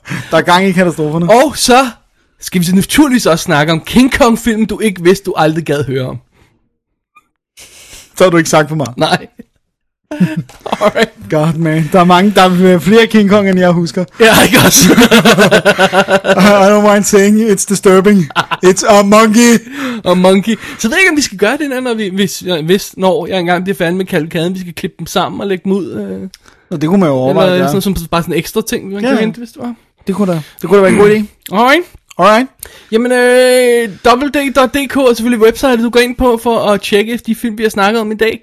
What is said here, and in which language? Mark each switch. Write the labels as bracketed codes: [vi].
[da] Der er gang i katastroferne. Og så skal vi naturligvis også snakke om King Kong-filmen, du ikke vidste, du aldrig gad høre om. Så har du ikke sagt for mig. Nej. [en] Alright. [da] God man, der er flere King Kong end jeg husker. Ja, ikke også. [en] I don't mind saying it's disturbing. It's a monkey. A monkey. [da] Så ved jeg ikke om vi skal gøre det en anden, hvis når jeg engang bliver færdig med kalkaden, vi skal klippe dem sammen og lægge dem ud. Nå, det kunne man jo overveje. Eller sådan, bare sådan en ekstra ting man kan hente, hvis det var. Det kunne da være en god idé. [en] Alright. Alright. [da] Jamen, www.dk er selvfølgelig website, du går ind på for at tjekke de film, vi har snakket om i dag.